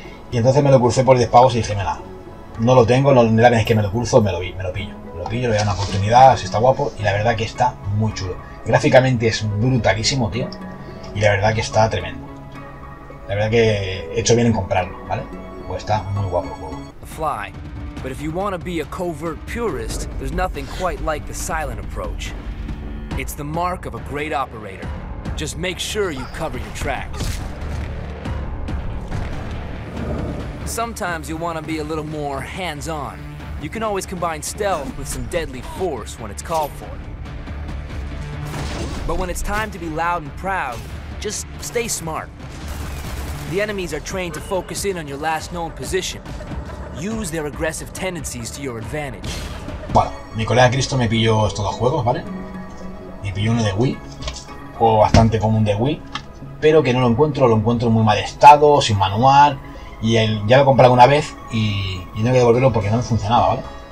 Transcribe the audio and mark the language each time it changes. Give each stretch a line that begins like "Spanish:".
Spanish: Y entonces me lo crucé por 10 pavos y dije, mela, no lo tengo, no la tenéis que me lo cruzo, me lo pillo, le voy a dar una oportunidad, si está guapo, y la verdad que está muy chulo. Gráficamente es brutalísimo, tío, y la verdad que está tremendo. La verdad que he hecho bien en comprarlo, vale, pues está muy guapo el juego.
English: Fly. But if you want to be a covert purist, there's nothing quite like the silent approach. It's the mark of a great operator. Just make sure you cover your tracks. Sometimes you'll want to be a little more hands-on. You can always combine stealth with some deadly force when it's called for. But when it's time to be loud and proud, just stay smart. The enemies are trained to focus in on your last known position. Use their aggressive tendencies to your advantage.
Spanish: Bueno, mi colega Cristo me pilló estos dos juegos, ¿vale? Me pilló uno de Wii, juego bastante común de Wii, pero que no lo encuentro, lo encuentro en muy mal estado, sin manual, y ya lo compré alguna vez y tengo que devolverlo porque no me funcionaba, ¿vale?